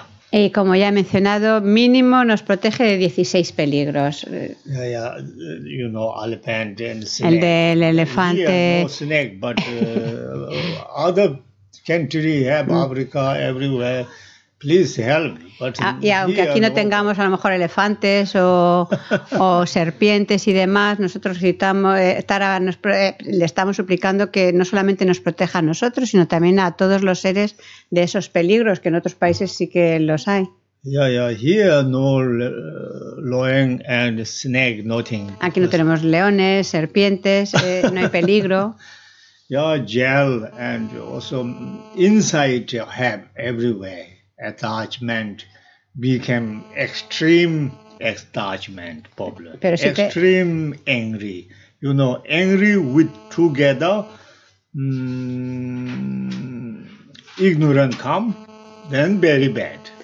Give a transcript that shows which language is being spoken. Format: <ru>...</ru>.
<es>Y como ya he mencionado, mínimo nos protege de 16 peligros.</es> <en>Yeah, yeah. You know, elephant and snake.</en> <es>El del elefante.</es> <en>Yeah, no snake, but other country have Africa everywhere. Please help. But</en> <es>aunque aquí no tengamos a lo mejor elefantes o serpientes y demás, nosotros le estamos suplicando que no solamente nos proteja a nosotros, sino también a todos los seres de esos peligros, que en otros países sí que los hay.</es> <en>Yeah, yeah. Here no lion and snake, nothing.</en> <es>Aquí no tenemos leones, serpientes, no hay peligro.</es> <en>Yeah, gel and also insight you have everywhere. Attachment became extreme attachment problem. Extreme angry. You know, angry with together ignorant come, then very bad.</en>